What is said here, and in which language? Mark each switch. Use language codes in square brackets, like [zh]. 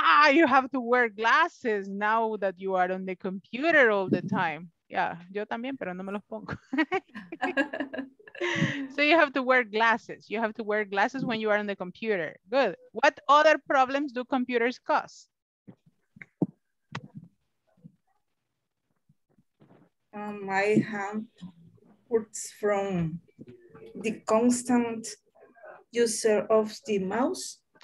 [en] You have to wear glasses now that you are on the computer all the time. [es] Yeah, yo también, pero no me los pongo. [en] So you have to wear glasses. You have to wear glasses when you are on the computer. Good. What other problems do computers cause? I have words from the constant user of the mouse.